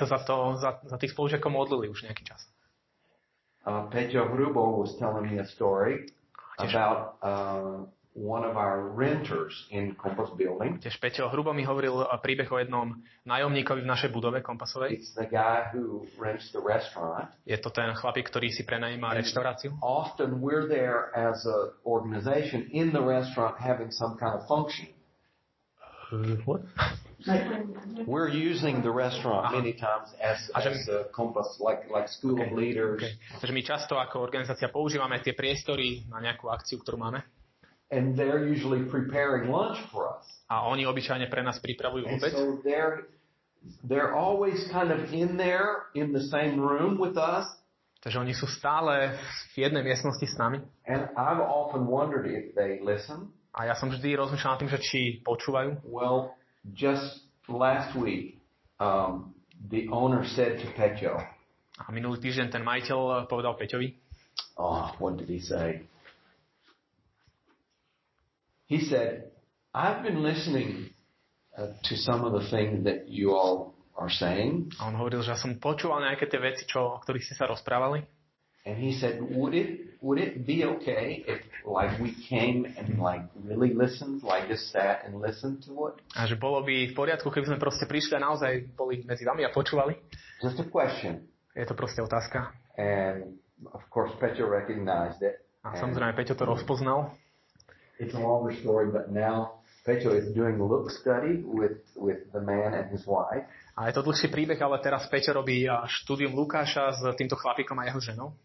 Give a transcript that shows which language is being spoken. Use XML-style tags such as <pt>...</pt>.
<sk>sa za tých spolužiakov modlili už nejaký čas.</sk> <en>Peťo Hrubo was telling me a story about one of our renters in Compass building.</en> <sk>Tiež Peťo Hrubo mi hovoril príbeh o jednom nájomníkovi v našej budove Compassovej.</sk> <en>It's the guy who rents the restaurant.</en> <sk>Je to ten chlapík, ktorý si prenajíma reštauráciu.</sk> <en>Often we're there as a organization in the restaurant having some kind of function. What? We're using the restaurant many times as a Compass, like school of leaders. Okay.</en> <sk>Takže my často ako organizácia používame tie priestory na nejakú akciu, ktorú máme.</sk> <en>And they're usually preparing lunch for us.</en> <sk>A oni obyčajne pre nás pripravujú obed.</sk> <en>So they're always kind of in there in the same room with us.</en> <sk>Takže oni sú stále v jednej miestnosti s nami.</sk> <en>And I've often wondered if they listen.</en> <sk>A ja som vždy rozmýšľal nad tým, že či počúvajú.</sk> <en>Well, just last week, the owner said to Peťo.</en> <sk>A minulý týždeň ten majiteľ povedal Peťovi.</sk> <en>Oh, what did he say? He said, I've been listening to some of the things that you all are saying.</en> <sk>A on hovoril, že som počúval nejaké tie veci, čo, o ktorých ste sa rozprávali.</sk> <en>And he said, would it be okay if like we came and like really listened, like just sat and listened to it?</en> <sk>A že bolo by v poriadku, keby sme proste prišli a naozaj boli medzi vami a počúvali?</sk> <en>Just a question.</en> <sk>Je to proste otázka.</sk> <en>And of course Peťo recognized it.</en> <sk>A samozrejme Peťo to rozpoznal.</sk> <en>It's a longer story, but now Peťo is doing look study with the man and his wife.</en> <sk>A je to dlhší príbeh, ale teraz Peťo robí štúdium Lukáša s týmto chlapíkom a jeho ženou.</sk>